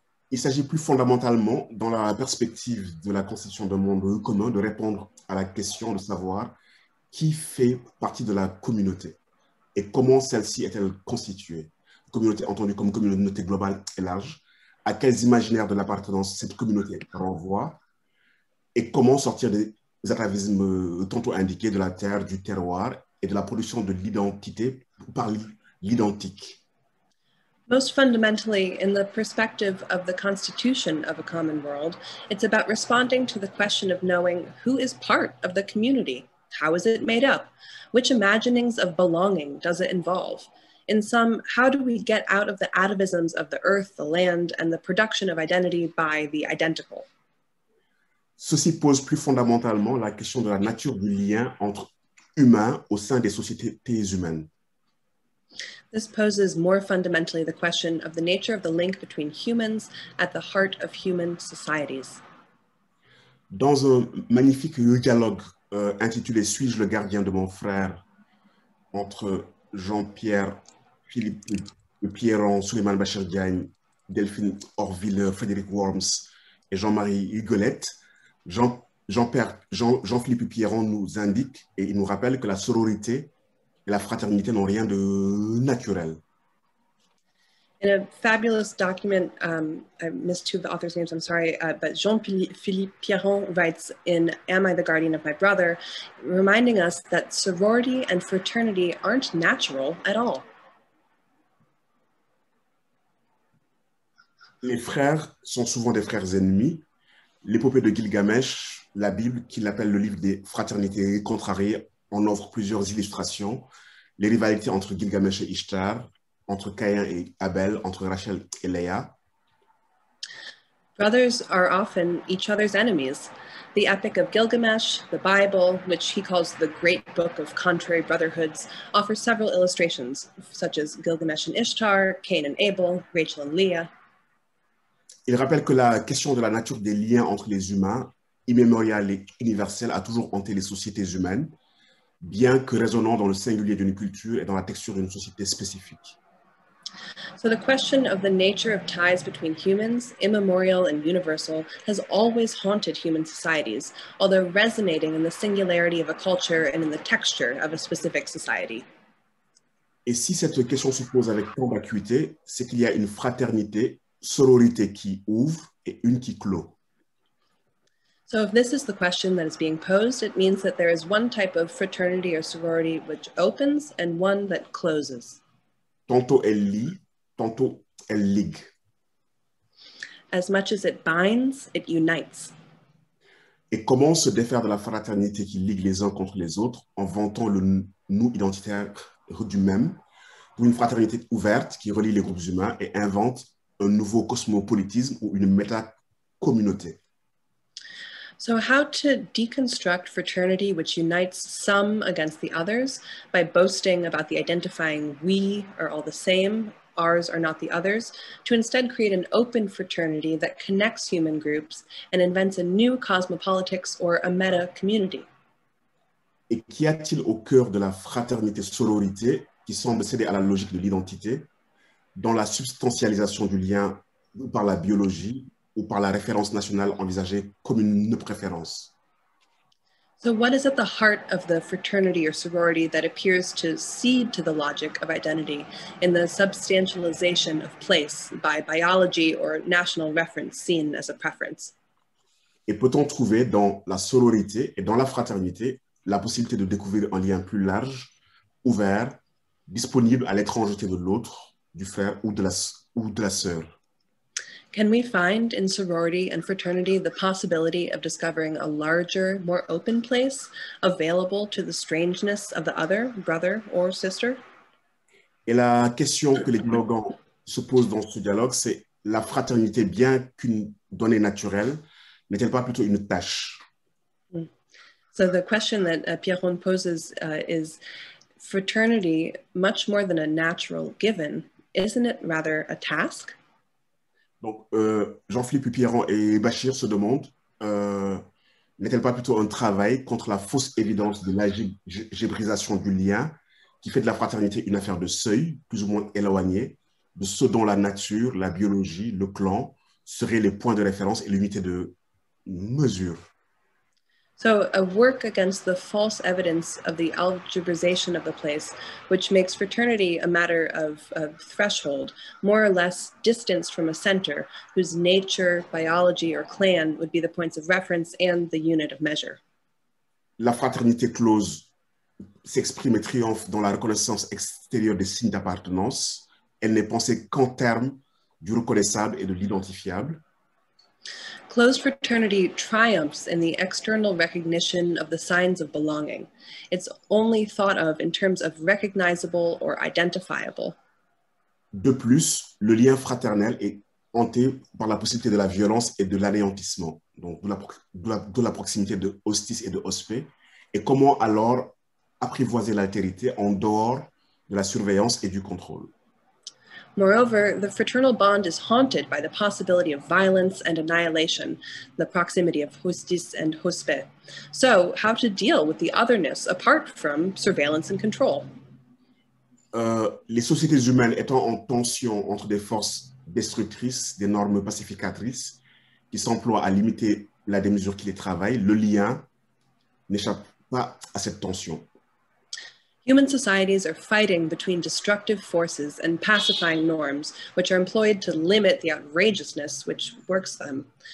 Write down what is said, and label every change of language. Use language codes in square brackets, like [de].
[fr] Il s'agit plus fondamentalement, dans la perspective de la constitution d'un monde commun, de répondre à la question de savoir qui fait partie de la communauté et comment celle-ci est-elle constituée, communauté entendue comme communauté globale et large, à quels imaginaires de l'appartenance cette communauté renvoie, et comment sortir des atavismes tantôt indiqués de la terre, du terroir et de la production de l'identité par l'identique. [en] Most fundamentally, in the perspective of the constitution of a common world, it's about responding to the question of knowing who is part of the community, how is it made up, which imaginings of belonging does it involve. In sum, how do we get out of the atavisms of the earth, the land and the production of identity by the identical? [fr] Ceci pose plus fondamentalement la question de la nature du lien entre humains au sein des sociétés humaines. [en] This poses more fundamentally the question of the nature of the link between humans at the heart of human societies. [fr] Dans un magnifique dialogue intitulé « Suis-je le gardien de mon frère ?» entre Jean-Pierre, Philippe Pierron, Souleyman Bachir Diagne, Delphine Orville, Frédéric Worms et Jean-Marie Huguelette, Jean-Philippe Pierron nous indique et il nous rappelle que la sororité et la fraternité n'ont rien de naturel. [en] In a fabulous document, I missed two of the author's names, I'm sorry, but Jean-Philippe Pierron writes in Am I the Guardian of My Brother, reminding us that sorority and fraternity aren't natural at all. [fr] Les frères sont souvent des frères ennemis. L'épopée de Gilgamesh, la Bible, qu'il appelle le livre des fraternités contrariées, en offre plusieurs illustrations. Les rivalités entre Gilgamesh et Ishtar, entre Caïn et Abel, entre Rachel et Léa. [en] Brothers are often each other's enemies. The Epic of Gilgamesh, the Bible, which he calls the Great Book of Contrary Brotherhoods, offers several illustrations, such as Gilgamesh and Ishtar, Cain and Abel, Rachel and Leah. [fr] Il rappelle que la question de la nature des liens entre les humains, immémorial et universel, a toujours hanté les sociétés humaines, bien que résonnant dans le singulier d'une culture et dans la texture d'une société spécifique. [en] So the question of the nature of ties between humans, immemorial and universal, has always haunted human societies, although resonating in the singularity of a culture and in the texture of a specific society. [fr] Et si cette question se pose avec tant d'acuité, c'est qu'il y a une fraternité, sororité qui ouvre et une qui clôt. [en] So if this is the question that is being posed, it means that there is one type of fraternity or sorority which opens and one that closes. [fr] Tantôt elle lie, tantôt elle ligue. [en] As much as it binds, it unites. [fr] Et comment se défaire de la fraternité qui ligue les uns contre les autres en vantant le nous identitaire du même pour une fraternité ouverte qui relie les groupes humains et invente un nouveau cosmopolitisme ou une méta-communauté. [en] So how to deconstruct fraternity which unites some against the others by boasting about the identifying we are all the same, ours are not the others, to instead create an open fraternity that connects human groups and invents a new cosmopolitics or a meta community. [fr] Et qu'y a-t-il au cœur de la fraternité sororité qui semble céder à la logique de l'identité, dans la substantialisation du lien ou par la biologie ou par la référence nationale envisagée comme une préférence? [en] So what is at the heart of the fraternity or sorority that appears to cede to the logic of identity in the substantialization of place by biology or national reference seen as a preference? [fr] Et peut-on trouver dans la sororité et dans la fraternité la possibilité de découvrir un lien plus large, ouvert, disponible à l'étrangeté de l'autre, du frère ou de la sœur? [en] Can we find in sorority and fraternity the possibility of discovering a larger, more open place available to the strangeness of the other, brother or sister? [fr] Et la question que les dialoguants se posent dans ce dialogue, c'est la fraternité, bien qu'une donnée naturelle, n'est-elle pas plutôt une tâche? [en] So the question that Pierron poses is, fraternity, much more than a natural given, isn't it rather a task? [fr] Donc, Jean-Philippe Pierron et Bachir se demandent, n'est-elle pas plutôt un travail contre la fausse évidence de l'algébrisation du lien qui fait de la fraternité une affaire de seuil, plus ou moins éloignée, de ce dont la nature, la biologie, le clan seraient les points de référence et l'unité de mesure? [en] So a work against the false evidence of the algebraization of the place, which makes fraternity a matter of threshold, more or less distanced from a center, whose nature, biology, or clan would be the points of reference and the unit of measure. [fr] La fraternité close s'exprime et triomphe dans la reconnaissance extérieure des signes d'appartenance. Elle n'est pensée qu'en termes du reconnaissable et de l'identifiable. [en] Closed fraternity triumphs in the external recognition of the signs of belonging. It's only thought of in terms of recognizable or identifiable. [fr] De plus, le lien fraternel est hanté par la possibilité de la violence et de l'anéantissement, donc de la proximité de hostis et de hospé. Et comment alors apprivoiser l'altérité en dehors de la surveillance et du contrôle? [en] Moreover, the fraternal bond is haunted by the possibility of violence and annihilation, the proximity of hostis and hospe. So, how to deal with the otherness apart from surveillance and control? [fr] Les sociétés humaines étant en tension entre des forces destructrices, des normes pacificatrices, qui s'emploient à limiter la démesure qui les travaille, le lien n'échappe pas à cette tension. [en] Human societies are fighting between destructive forces and pacifying norms, which are employed to limit the outrageousness which works them.